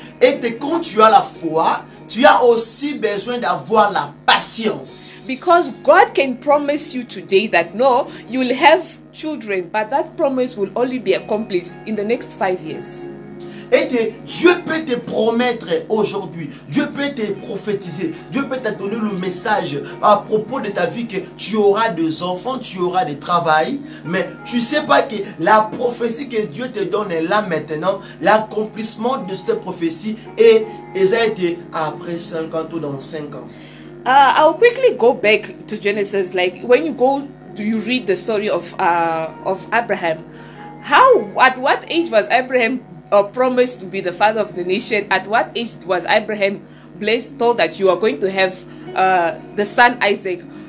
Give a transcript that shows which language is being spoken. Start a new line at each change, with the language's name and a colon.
French: Et quand tu as la foi, tu as aussi besoin d'avoir la patience.
English: Because God can promise you today that no, you will have children, but that promise will only be accomplished in the next 5 years.
French: Et Dieu peut te promettre aujourd'hui, Dieu peut te prophétiser, Dieu peut te donner le message à propos de ta vie que tu auras des enfants, tu auras des travail, mais tu sais pas que la prophétie que Dieu te donne est là maintenant, l'accomplissement de cette prophétie est exacté après 50 ou dans 5 ans.
English: I'll quickly go back to Genesis, like when you go do you read the story of Abraham? How, at what age was Abraham promised to be the father of the nation? At what age was Abraham blessed, told that you are going to have the son Isaac?